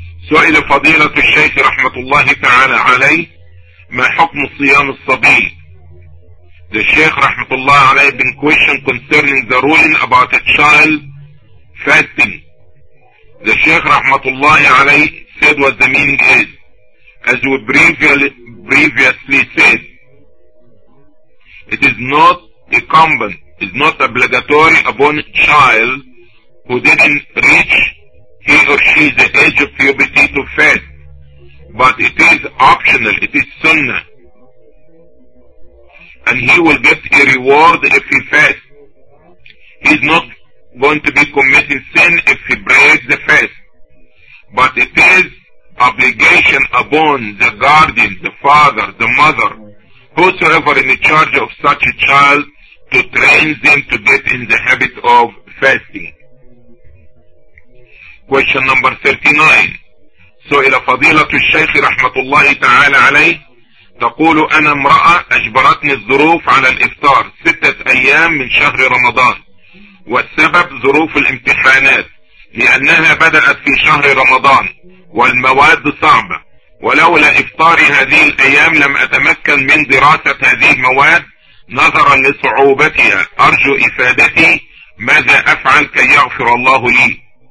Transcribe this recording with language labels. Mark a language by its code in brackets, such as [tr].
[ar] سئل فضيلة الشيخ رحمة الله تعالى عليه ما حكم صيام الصبي. [en] The Shaykh [ar] رحمة الله عليه [en] been questioned concerning the ruling about a child fasting. Sheikh Rahmatullahi alayh said what the meaning is. As we previously said, it is not incumbent, it is not obligatory upon a child who didn't reach he or she the age of puberty to fast. But it is optional, it is sunnah. And he will get a reward if he fasts. He's not going to be committing sin if he breaks the fast. But it is obligation upon the guardian, the father, the mother, whosoever in the charge of such a child, to train them to get in the habit of fasting. Question number 39. [ar] So, إلى فضيلة الشيخ رحمة الله تعالى عليه تقول أنا امرأة أجبرتني الظروف على الإفطار 6 أيام من شهر رمضان والسبب ظروف الامتحانات لأنها بدأت في شهر رمضان والمواد صعبة ولولا إفطار هذه الأيام لم أتمكن من دراسة هذه المواد نظرا لصعوبتها أرجو إفادتي ماذا أفعل كي يغفر الله لي.